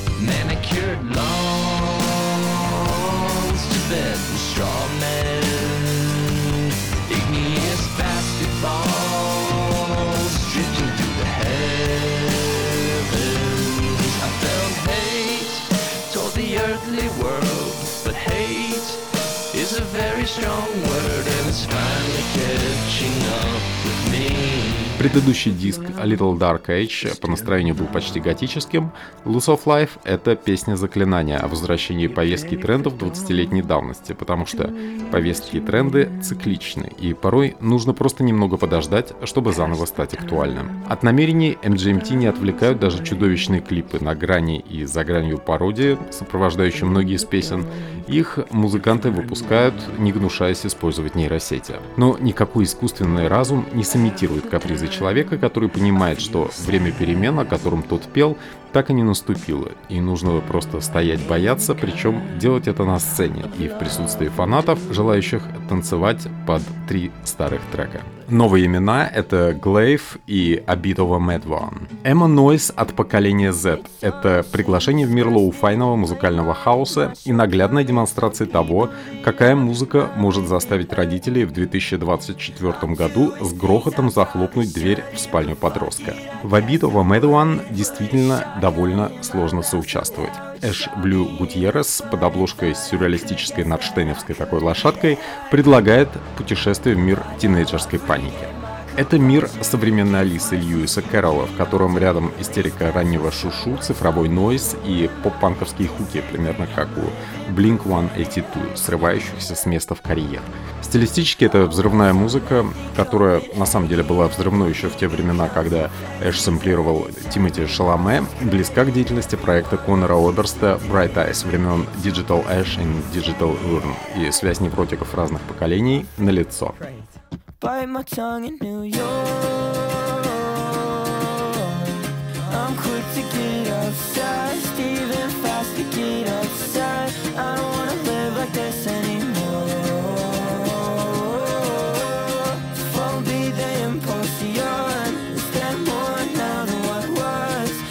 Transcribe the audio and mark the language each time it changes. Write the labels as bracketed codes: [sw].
[en] Manicured lawns, Tibetan straw men, igneous basketballs drifting through the heavens. I felt hate toward the earthly world, but hate is a very strong word, and it's finally catching up with me. [ru] Предыдущий диск A Little Dark Age по настроению был почти готическим. Loss of Life — это песня заклинания о возвращении повестки трендов 20-летней давности, потому что повестки и тренды цикличны, и порой нужно просто немного подождать, чтобы заново стать актуальным. От намерений MGMT не отвлекают даже чудовищные клипы на грани и за гранью пародии, сопровождающие многие из песен. Их музыканты выпускают, не гнушаясь использовать нейросети. Но никакой искусственный разум не сымитирует капризы человека, который понимает, что время перемен, о котором тот пел, так и не наступило, и нужно просто стоять бояться, причем делать это на сцене и в присутствии фанатов, желающих танцевать под три старых трека. Новые имена — это Glaive и A Bit of a Mad One. Emma Noyce от поколения Z — это приглашение в мир лоу-файного музыкального хаоса и наглядная демонстрация того, какая музыка может заставить родителей в 2024 году с грохотом захлопнуть дверь в спальню подростка. В A Bit of a Mad One действительно довольно сложно соучаствовать. Эш Блю Гутьеррес под обложкой с сюрреалистической надштеневской такой лошадкой предлагает путешествие в мир тинейджерской паники. Это мир современной Алисы Льюиса Кэрролла, в котором рядом истерика раннего шушу, цифровой нойз и поп-панковские хуки, примерно как у Blink-182, срывающихся с места в карьер. Стилистически это взрывная музыка, которая на самом деле была взрывной еще в те времена, когда Эш сэмплировал Тимоти Шаламе, близка к деятельности проекта Конора Оберста Bright Eyes времен Digital Ash and Digital Urn, и связь невротиков разных поколений налицо. [en] Bite my tongue in New York. I'm quick to get upset, even fast to get upset. I don't wanna live like this anymore. Fall be the impulse to yawn. Is there more now than what was?